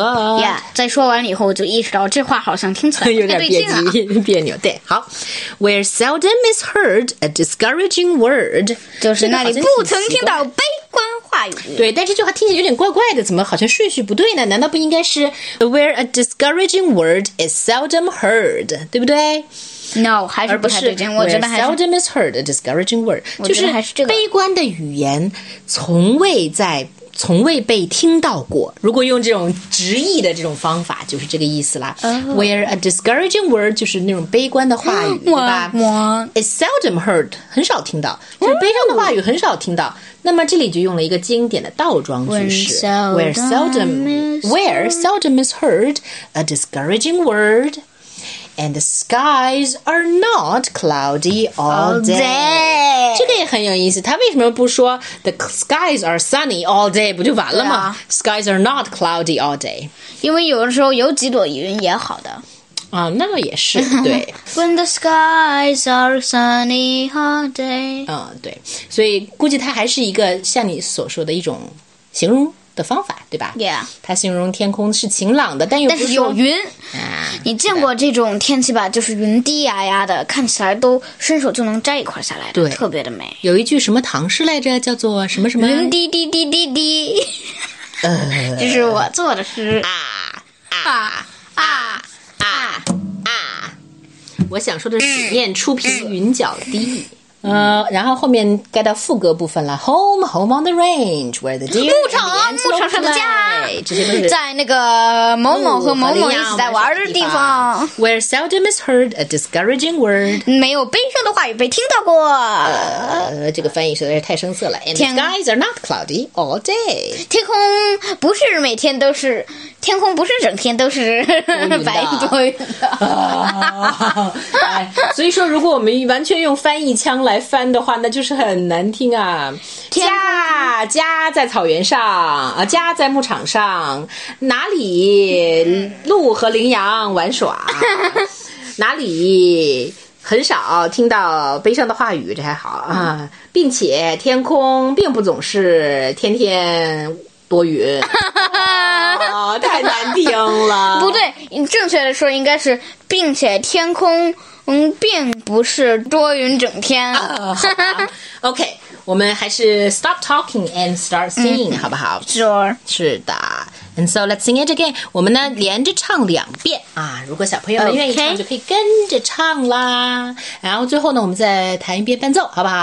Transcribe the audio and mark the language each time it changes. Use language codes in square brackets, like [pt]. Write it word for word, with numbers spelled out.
[zh] Yeah， 在说完了以后，我就意识到这话好像听起来有点别扭，别扭。对，好 [en] ，Where seldom is heard a discouraging word [zh] 就是那里不曾听到悲观话语。对，但是这句话听起来有点怪怪的，怎么好像顺序不对呢？难道不应该是 [en] where a discouraging word is seldom heard， [zh] 对不对？ No， 还是不太对劲。我觉得还是 [en] seldom is heard a discouraging word， [zh] 我觉得还是这个就是悲观的语言从未在从未被听到过。如果用这种直译的这种方法，就是这个意思啦。 Oh. [en] Where a discouraging word [zh] 就是那种悲观的话语，对吧 ？ [en] Is seldom heard [zh] 很少听到，就是悲伤的话语很少听到。那么这里就用了一个经典的倒装句式 [en] When ，Where seldom Where seldom is heard a discouraging word。 And the skies are not cloudy all day. All day. [zh] 这个也很有意思，他为什么不说 [en] the skies are sunny all day [zh] 不就完了吗、啊、 [en] ？Skies are not cloudy all day. [zh] 因为有的时候有几朵云也好的。啊，那个也是对。 [en] When the skies are sunny all day. [zh] 嗯，对，所以估计它还是一个像你所说的一种形容的方法，对吧 [en] ？Yeah， [zh] 它形容天空是晴朗的，但又不但是有云、啊。你见过这种天气吧？就是云低压压的，看起来都伸手就能摘一块下来的，对，特别的美。有一句什么唐诗来着？叫做什么什么？云低低低低低。呃，这是我做的诗啊啊啊啊啊！我想说的是，念初平云脚低。呃，然后后面该到副歌部分了。 [en] Home, home on the range, where the deer [zh] 牧场啊，牧场上的家，这些都是在那个某某和某某一起在玩的地方。 [en] Where seldom is heard a discouraging word， [zh] 没有悲伤的话语被听到过。 [en] 呃， [zh] 这个翻译实在是太生涩了。 [en] And the skies are not cloudy all day， [zh] 天空不是每天都是，天空不是整天都是白多云的。啊哎、所以说，如果我们完全用翻译腔来翻的话，那就是很难听啊。家家在草原上啊，家在牧场上，哪里鹿和羚羊玩耍，哪里很少听到悲伤的话语，这还好啊。并且天空并不总是天天多云。哦、太难听了。不对，正确的说应该是并且天空嗯并不是多云整天。哦、OK， 我们还是 [en] stop talking and start singing、 [zh] 嗯、好不好？ [en] Sure， [zh] 是的。 [en] And so let's sing it again， [zh] 我们呢连着唱两遍啊，如果小朋友们愿意唱就可以跟着唱啦。然后最后呢我们再弹一遍伴奏，好不好？